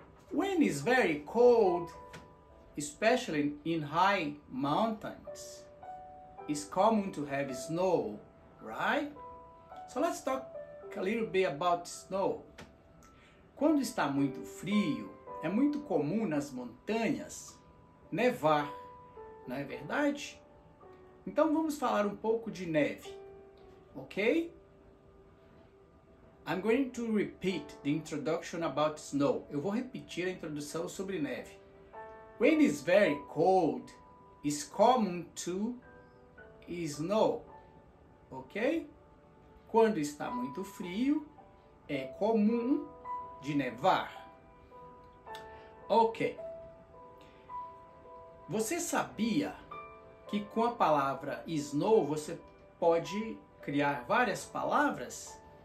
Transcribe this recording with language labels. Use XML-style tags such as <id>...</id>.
<en>When it's very cold, especially in high mountains, it's common to have snow, right? So let's talk a little bit about snow.</en> <pt>Quando está muito frio, é muito comum nas montanhas nevar, não é verdade? Então vamos falar um pouco de neve, ok?</pt> <en>I'm going to repeat the introduction about snow.</en> <pt>Eu vou repetir a introdução sobre neve.</pt> <en>When it's very cold, it's common to snow, ok?</en> <pt>Quando está muito frio, é comum de nevar. Ok. Você sabia que com a palavra snow você pode criar várias palavras?</pt>